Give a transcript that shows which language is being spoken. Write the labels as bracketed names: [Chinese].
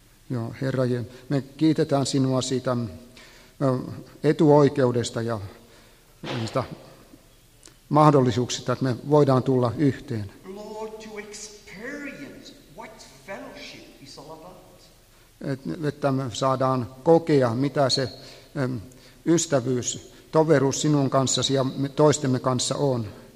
[Finnish] Joo, Herra, me kiitetään sinua siitä etuoikeudesta ja niistä mahdollisuuksista, että me voidaan tulla yhteen. [English] Lord, to experience what fellowship is all about. [Finnish] Että me saadaan kokea, mitä se ystävyys, toveruus sinun kanssasi ja toistemme kanssa on.